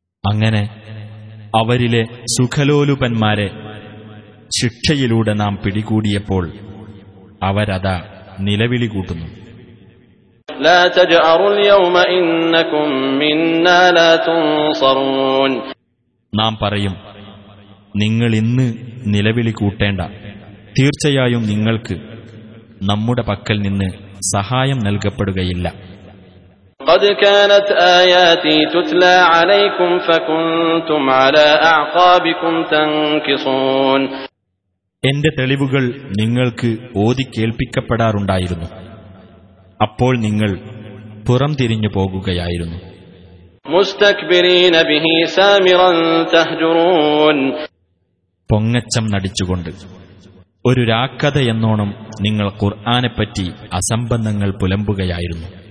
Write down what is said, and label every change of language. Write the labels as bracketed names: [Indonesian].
[Malayalam] അങ്ങനെ അവരിലെ സുഖലോലുപന്മാരെ ശിക്ഷയിലൂടെ നാം പിടികൂടിയപ്പോൾ അവരതാ നിലവിളി കൂട്ടുന്നു. [Arabic] لا تجأروا اليوم إنكم منا لا تنصرون [Malayalam] നാം പറയും, നിങ്ങൾ ഇന്ന് നിലവിളി കൂട്ടേണ്ട, തീർച്ചയായും നിങ്ങൾക്ക് നമ്മുടെ പക്കൽ നിന്ന് സഹായം നൽകപ്പെടുകയില്ല. [Arabic] قد كانت آياتي تتلى عليكم فكنتم على أعقابكم تنكصون [Malayalam] എന്റെ തെളിവുകൾ നിങ്ങൾക്ക് ഓതി കേൾപ്പിക്കപ്പെടാറുണ്ടായിരുന്നു, അപ്പോൾ നിങ്ങൾ പുറം തിരിഞ്ഞു പോകുകയായിരുന്നു. [Arabic] മുസ്തക്ബിരീന ബിഹി സാമിറൻ തഹ്ജുറൂൻ [Malayalam] പൊങ്ങച്ചം നടിച്ചുകൊണ്ട് ഒരു രാക്കഥ എന്നോണം നിങ്ങൾ ഖുർആനെപ്പറ്റി അസംബന്ധങ്ങൾ പുലമ്പുകയായിരുന്നു.